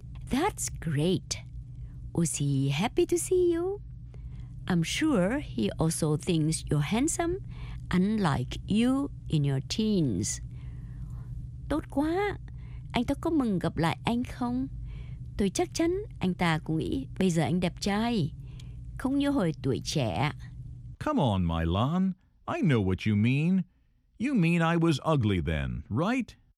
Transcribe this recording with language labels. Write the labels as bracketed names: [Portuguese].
[English] That's great. Was he happy to see you? I'm sure he also thinks you're handsome, unlike you in your teens. [Vietnamese] Tốt quá! Anh ta có mừng gặp lại anh không? Tôi chắc chắn anh ta cũng nghĩ bây giờ anh đẹp trai, không như hồi tuổi trẻ. [English] Come on, Mylon. I know what you mean. You mean I was ugly then, right?